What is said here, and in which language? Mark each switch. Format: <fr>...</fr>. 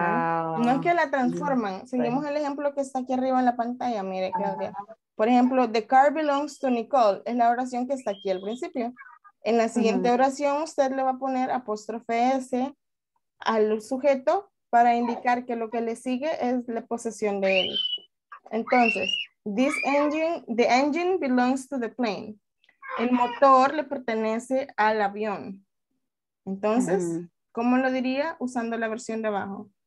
<es>No es que la transforman, seguimos el ejemplo que está aquí arriba en la pantalla, mire Claudia. Por ejemplo,</es> <en>the car belongs to Nicole,</en> <es>es la oración que está aquí al principio. En la siguiente oración usted le va a poner apóstrofe S al sujeto, para indicar que lo que le sigue es la posesión de él. Entonces,</es> <en>this engine, the engine belongs to the plane.</en> <es>El motor le pertenece al avión. Entonces, ¿cómo lo diría usando la versión de abajo?</es>